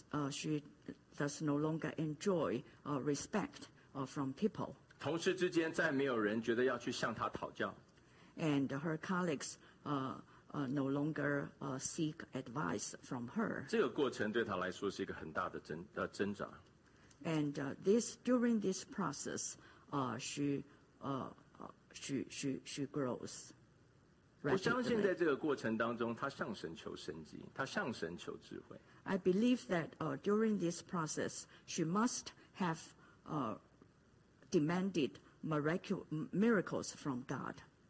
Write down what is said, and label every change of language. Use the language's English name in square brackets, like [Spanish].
[English] She does no longer enjoy respect from people. [Chinese] 同事之间再没有人觉得要去向她讨教。 [English] And her colleagues no longer seek advice from her. [Chinese] 这个过程对她来说是一个很大的挣扎。 [English] And during this process, she grows. [Chinese] 我相信在这个过程当中，她向神求生机，她向神求智慧。 [English] I believe that during this process, she must have demanded miracles from God.